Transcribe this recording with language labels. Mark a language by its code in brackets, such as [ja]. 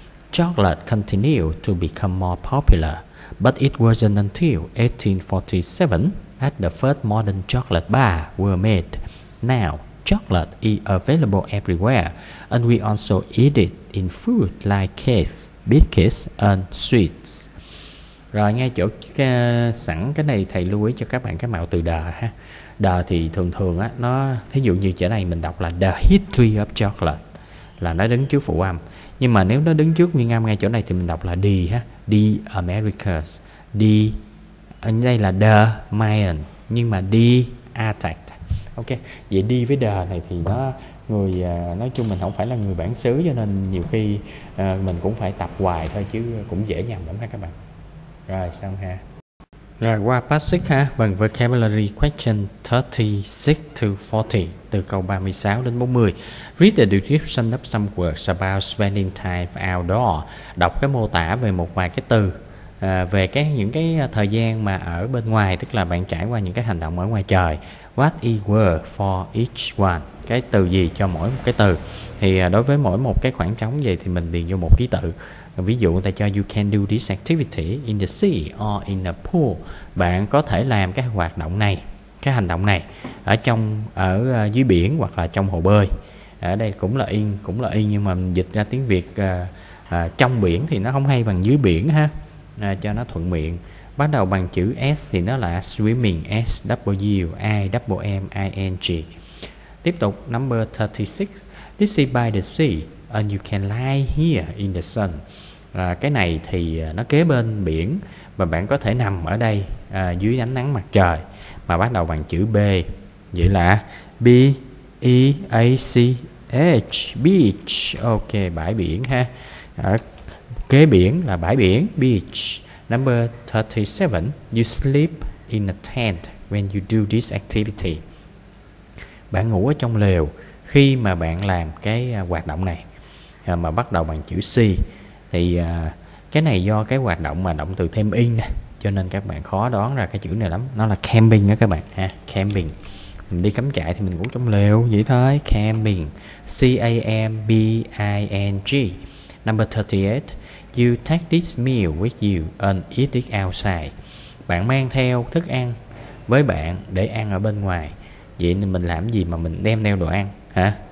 [en] Chocolate continued to become more popular, but it wasn't until 1847 that the first modern chocolate bar were made. Now, chocolate is available everywhere, and we also eat it in food like cakes, biscuits, and sweets. [vi] Rồi ngay chỗ sẵn cái này thầy lưu ý cho các bạn cái mạo từ đờ ha. Đờ thì thường thường á, nó thí dụ như chỗ này mình đọc là [en] the history of chocolate [vi] là nó đứng trước phụ âm. Nhưng mà nếu nó đứng trước nguyên âm ngay chỗ này thì mình đọc là the ha, the Americas, the ở đây là the Mayan nhưng mà the Aztec. Ok, vậy đi với đờ này thì nó người nói chung mình không phải là người bản xứ cho nên nhiều khi mình cũng phải tập hoài thôi chứ cũng dễ nhầm lắm ha các bạn. Rồi xong ha. Rồi qua passage ha, phần vocabulary question 36 to 40, từ câu 36 đến 40. [en] Read the description of some words about spending time outdoor. [vi] Đọc cái mô tả về một vài cái từ về cái những cái thời gian mà ở bên ngoài, tức là bạn trải qua những cái hành động ở ngoài trời. [en] What is word for each one? [vi] Cái từ gì cho mỗi một cái từ? Thì đối với mỗi một cái khoảng trống vậy thì mình điền vô một ký tự. Ví dụ người ta cho [en] you can do this activity in the sea or in the pool. [vi] Bạn có thể làm cái hoạt động này, cái hành động này ở trong ở dưới biển hoặc là trong hồ bơi. Ở đây cũng là in nhưng mà dịch ra tiếng Việt trong biển thì nó không hay bằng dưới biển ha. Cho nó thuận miệng. Bắt đầu bằng chữ S thì nó là swimming, S W I M M I N G. Tiếp tục [en] number 36. This is by the sea. And you can lie here in the sun. [vi] À, cái này thì nó kế bên biển và bạn có thể nằm ở đây dưới ánh nắng mặt trời. Mà bắt đầu bằng chữ B. Vậy là B E A C H beach. Ok, bãi biển ha. À, kế biển là bãi biển beach. [en] Number 37, you sleep in a tent when you do this activity. [vi] Bạn ngủ ở trong lều khi mà bạn làm cái hoạt động này. Mà bắt đầu bằng chữ C thì cái này do cái hoạt động mà động từ thêm in cho nên các bạn khó đoán ra cái chữ này lắm. Nó là camping đó các bạn ha, camping. Mình đi cắm trại thì mình ngủ trong lều vậy thôi, camping. [en] CAMBING. Number 38, you take this meal with you and eat it outside. [vi] Bạn mang theo thức ăn với bạn để ăn ở bên ngoài. Vậy nên mình làm gì mà mình đem theo đồ ăn hả?